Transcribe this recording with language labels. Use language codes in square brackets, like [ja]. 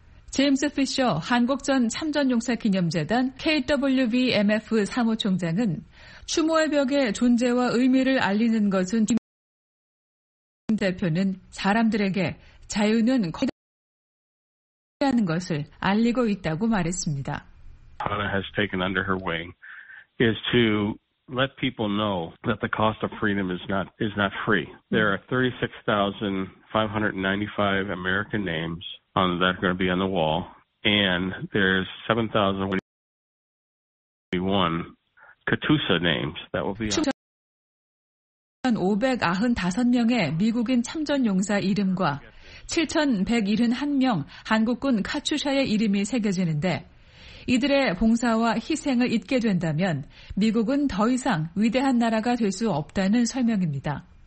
[ko] 제임스 피셔 한국전 참전용사 기념재단 KWVMF 사무총장은 추모의 벽의 존재와 의미를 알리는 것은 김 대표는 사람들에게 자유는 거대하는 것을 알리고 있다고 말했습니다. [en] Hannah has taken under her wing is to let people know that the cost of freedom is not free. There are 36,595 American names on that are going to be on the wall, and there's 7,001 Katusa names that will be on. [ko] 595명의 미국인 참전용사 이름과 7,171명 한국군 카투샤의 이름이 새겨지는데 이들의 봉사와 희생을 잊게 된다면 미국은 더 이상 위대한 나라가 될 수 없다는 설명입니다.